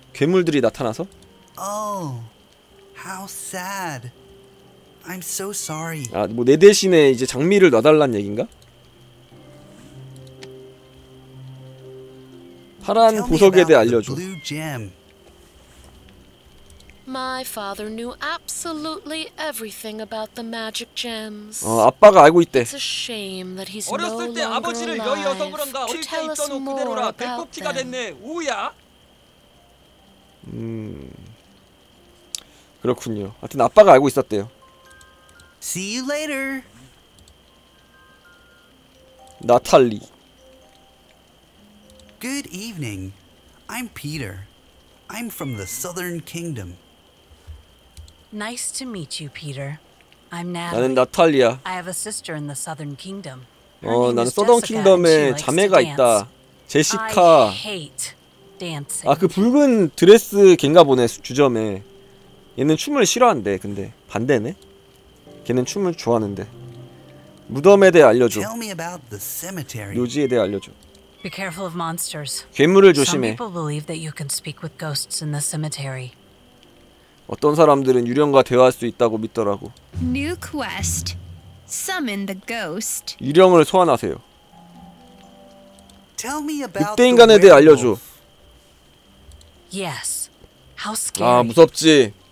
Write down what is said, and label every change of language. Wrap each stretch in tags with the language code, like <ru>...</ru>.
<ko>괴물들이 나타나서.</ko> <en>Oh, how sad. I'm so sorry.</en> <ko>아, 뭐 내 대신에 이제 장미를 놔달란 얘긴가? 파란 보석에 대해 알려줘.</ko> <en>My father knew absolutely everything about the magic gems.</en> <ko>아빠가 알고 있대. 어렸을 때 아버지를 여의어서 그런가 어릴 때 있던 옷 그대로라 백복티가 됐네. 오야. 그렇군요. 하여튼 아빠가 알고 있었대요.</ko> <en>See you later.</en> <ko>나탈리.</ko> <en>Good evening. I'm Peter. I'm from the Southern Kingdom. Nice to meet you, Peter. I'm Natalie.</en> <ko>나는 나탈리야.</ko> <en>I have a sister in the Southern Kingdom.</en> <ko>나는 서던 킹덤에 자매가 있다. 제시카.</ko> <en>I hate dancing.</en> <ko>아, 그 붉은 드레스 걘가 보네, 주점에. 얘는 춤을 싫어한대. 근데 반대네. 걔는 춤을 좋아하는데. 무덤에 대해 알려줘.</ko> <en>Tell me about the cemetery.</en> <ko>묘지에 대해 알려줘.</ko> <en>Be careful of monsters.</en> <ko>괴물을 조심해.</ko> <en>Some people believe that you can speak with ghosts in the cemetery.</en> <ko>어떤 사람들은 유령과 대화할 수 있다고 믿더라고.</ko> <en>New quest. Summon the ghost.</en> <ko>유령을 소환하세요.</ko> <en>Tell me about</en> <ko>늑대 인간에 대해 알려줘.</ko> <en>Yes. How scary.</en> <ko>아, 무섭지.</ko>